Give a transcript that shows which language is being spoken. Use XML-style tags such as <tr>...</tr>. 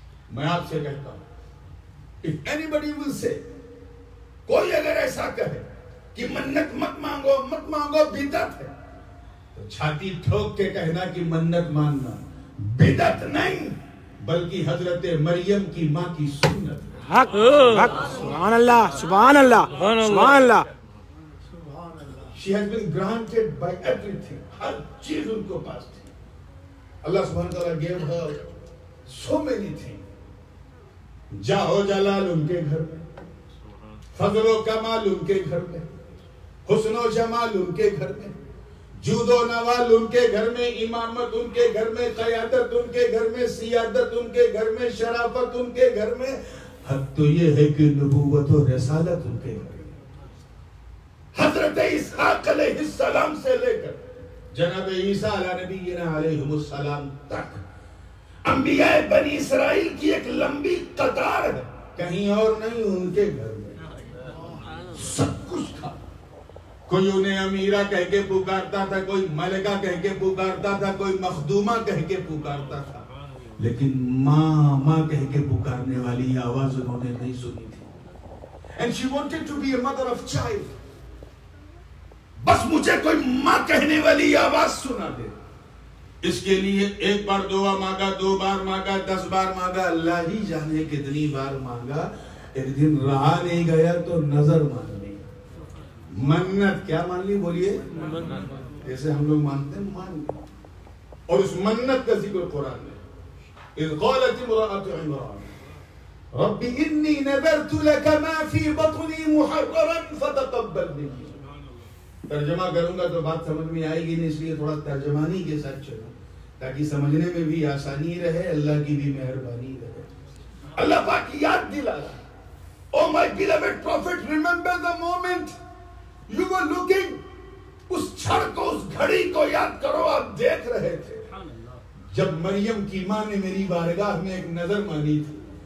<ur>میں آپ سے کہتا ہوں</ur> <en>if anybody will say</en> <ur>کوئی اگر ایسا کہے کہ منت مت مانگو بدعت ہے تو چھاتی ٹھوک کے کہنا کہ منت ماننا بدعت نہیں بلکہ حضرت مریم کی ماں کی سنت</ur> <ar>حق حق سبحان اللہ سبحان اللہ سبحان اللہ</ar> <en>She has been granted by everything.</en> <ur>ہر چیز ان کو پاس تھی.</ur> <en>اللہ سبحانہ وتعالیٰ gave her so many things.</en> <ur>جاؤ جلال ان کے گھر میں. فضل و کمال ان کے گھر میں, حسن و جمال ان کے گھر میں, جود و نوال ان کے گھر میں, امامت ان کے گھر میں, قیادت ان کے گھر میں, سیادت ان کے گھر میں, شرافت ان کے گھر میں. حق تو یہ ہے کہ نبوت و رسالت ان کے گھر میں. حضرت اسحاق علیہ السلام سے لے کر جناب عیسیٰ علیہ نبی علیہ السلام تک انبیاء بنی اسرائیل کی ایک لمبی قطار ہے, کہیں اور نہیں ان کے گھر میں سب کچھ تھا. کوئی انہیں امیرہ کہہ کے پکارتا تھا, کوئی ملکہ کہہ کے پکارتا تھا, کوئی مخدومہ کہہ کے پکارتا تھا, لیکن ماں کہہ کے پکارنے والی آواز انہوں نے نہیں سنی تھی.</ur> <en>And she wanted to be a mother of child.</en> <ur>بس مجھے کوئی ماں کہنے والی آواز سنا دے. اس کے لیے ایک بار دعا مانگا, دو بار مانگا, دس بار مانگا, اللہ ہی جانے کتنی بار مانگا. ایک دن رہا نہیں گیا تو نظر مان لی. منت کیا مان لی بولیے, جیسے ہم لوگ مانتے ہیں مان لی. اور اس منت کا ذکر قرآن میں,</ur> <ar>اذ قالت امرأت عمران ربی انی نذرت لک ما فی بطنی محررا فتقبل منی.</ar> <ur>ترجمہ کروں گا تو بات سمجھ میں آئے گی نہیں, اس لیے تھوڑا ترجمانی کے ساتھ چلو تاکہ سمجھنے میں بھی آسانی رہے, اللہ کی بھی مہربانی رہے. اللہ پاک یاد دلا رہا,</ur> <en>Oh my beloved prophet remember the moment you were looking.</en> <ur>اس چھڑ کو, اس گھڑی کو یاد کرو آپ دیکھ رہے تھے جب مریم کی ماں نے میری بارگاہ میں ایک نظر مانی تھی.</ur>